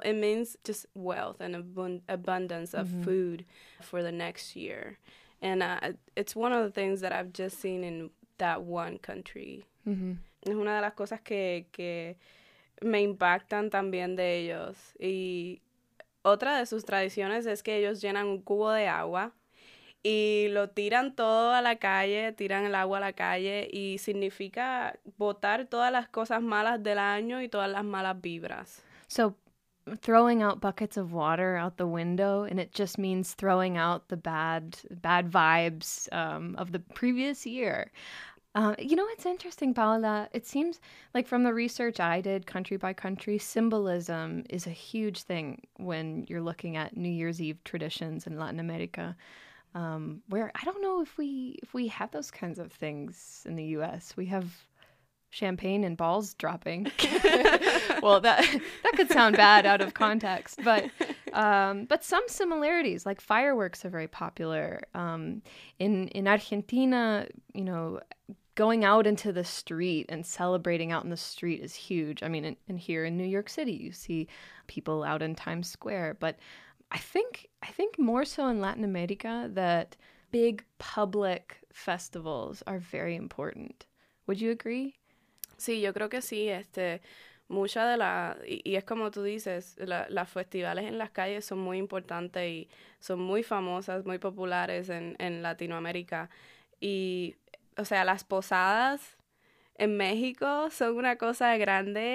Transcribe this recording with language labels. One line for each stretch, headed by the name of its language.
English: It means just wealth and abundance of mm-hmm. food for the next year. And it's one of the things that I've just seen in that one country. Mm-hmm.
Spanish: Es una de las cosas que me impactan también de ellos. Y otra de sus tradiciones es que ellos llenan un cubo de agua y lo tiran todo a la calle, tiran el agua a la calle, y significa botar todas las cosas malas del año y todas las malas vibras.
English: So, throwing out buckets of water out the window, and it just means throwing out the bad vibes of the previous year. You know, it's interesting, Paola. It seems like from the research I did country by country, symbolism is a huge thing when you're looking at New Year's Eve traditions in Latin America. Where I don't know if we have those kinds of things in the U.S. We have champagne and balls dropping. Well, that could sound bad out of context, but some similarities, like fireworks, are very popular. In Argentina, you know, going out into the street and celebrating out in the street is huge. I mean, and here in New York City, you see people out in Times Square, but I think more so in Latin America that big public festivals are very important. Would you agree?
Spanish: Sí, yo creo que sí. Mucha de la y es como tú dices, las festivales en las calles son muy importantes y son muy famosas, muy populares en Latinoamérica. Y o sea, las posadas en México son una cosa grande.